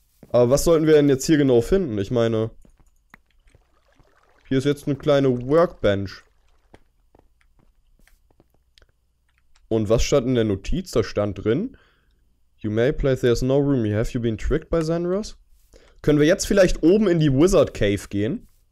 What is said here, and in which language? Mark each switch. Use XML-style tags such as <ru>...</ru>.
<de>Aber was sollten wir denn jetzt hier genau finden? Ich meine, hier ist jetzt eine kleine Workbench. Und was stand in der Notiz? Da stand drin:</de> <en>You may play, there's no room. Have you been tricked by Zanros?</en> <de>Können wir jetzt vielleicht oben in die Wizard Cave gehen?</de>